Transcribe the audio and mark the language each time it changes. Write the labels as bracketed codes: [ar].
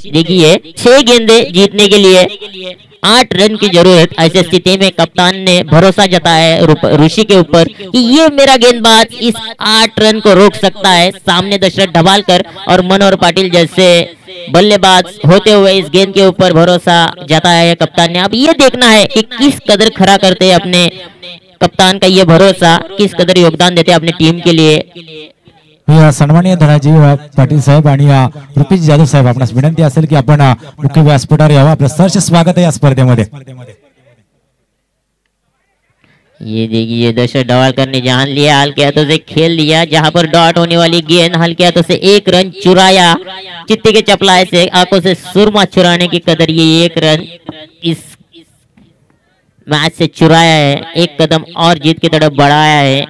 [hi] देखिए 6 गेंदे जीतने के लिए 8 रन की जरूरत, ऐसी स्थिति में कप्तान ने भरोसा जताया है ऋषि के ऊपर कि ये मेरा गेंदबाज इस 8 रन को रोक सकता है। सामने दशरथ ढवालकर और मनोहर पाटिल जैसे बल्लेबाज होते हुए इस गेंद के ऊपर भरोसा जताया है कप्तान ने। अब ये देखना है कि किस कदर खरा करते हैं अपने कप्तान का ये भरोसा, किस कदर योगदान देते अपनी टीम के लिए। [mr] सन्मान्य धनाजी पाटील साहेब आणि रुपेश जाधव साहेब आपणास विनंती असेल की आपण मुख्य व्यासपीठावर यावं, आपलं सहर्ष स्वागत आहे या स्पर्धेमध्ये। [hi] ये देखिए दशरथ ढवालकर ने जान लिया, हल्के हाथों से खेल लिया, जहां पर डॉट होने वाली गेंद हल्के हाथों से 1 रन चुराया, चित्ते के चपलाए से आंखों से सुरमा चुराने की कदर ये 1 रन इस मैच से चुराया है, एक कदम और जीत की तरफ बढ़ाया है।